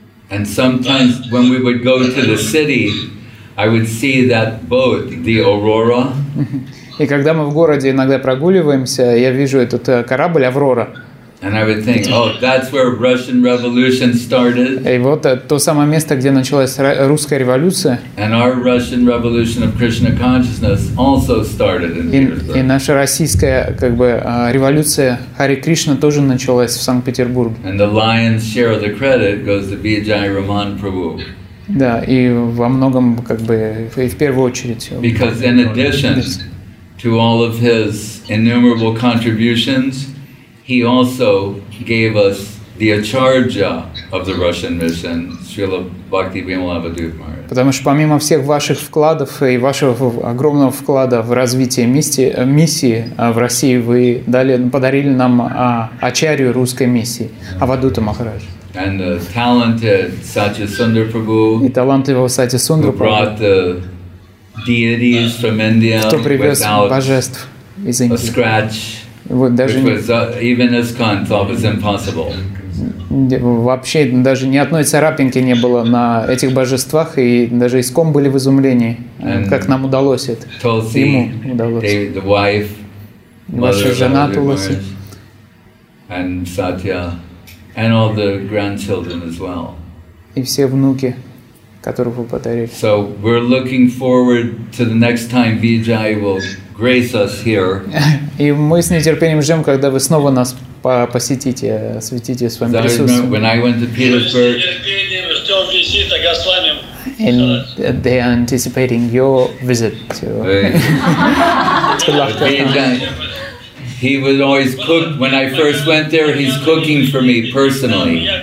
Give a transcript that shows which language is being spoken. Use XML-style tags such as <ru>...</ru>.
<en>And sometimes when we would go to the city, I would see that boat, the Aurora.</en> <ru>И когда мы в городе иногда прогуливаемся, я вижу этот корабль Аврора.</ru> <en>And I would think, oh, that's where Russian Revolution started.</en> <ru>И вот то самое место, где началась русская революция.</ru> <en>And our Russian Revolution of Krishna consciousness also started in Petersburg.</en> <ru>И наша российская как бы революция Хари Кришна тоже началась в Санкт-Петербурге.</ru> <en>And the lion's share of the credit goes to Vijay Raman Prabhu.</en> <ru>Да, и во многом, как бы, и в первую очередь.</ru> <en>Because in addition to all of his innumerable contributions, he also gave us the acharya of the Russian mission, Srila Bhakti Vimalabha Dutt Maharaj.</en> <ru>Потому что помимо всех ваших вкладов и вашего огромного вклада в развитие миссии в России, вы подарили нам ачарью русской миссии, Авадута Махарадж.</ru> <en>And the talented Satchasundar Prabhu,</en> <ru>и талантливого Сатчасундра</ru> <en>Прабху, who brought the deities from India without</en> <ru>из Индии.</ru> <en>A scratch,</en> <ru>вот даже</ru> <en>which was even ISKCON thought was impossible.</en> <ru>Вообще даже ни одной царапинки не было на этих божествах, и даже ISKCON были в изумлении, and как нам удалось это.</ru> <en>Tulsi,</en> <ru>ему удалось.</ru> <en>The wife,</en> <ru>ваша жена Туласи,</ru> <en>and Satya. And all the grandchildren as well.</en> <ru>И все внуки, которых вы подарили.</ru> <en>So we're looking forward to the next time Vijay will grace us here.</en> <ru>И мы с нетерпением ждем, когда вы снова нас посетите, осветите своим присутствием.</ru> <en>When I went to Petersburg.</en> <ru>С нетерпением ждем визита Госвами.</ru> <en>And they are anticipating your visit to Lakhdaka. He would always cook. When I first went there, he's cooking for me personally.</en>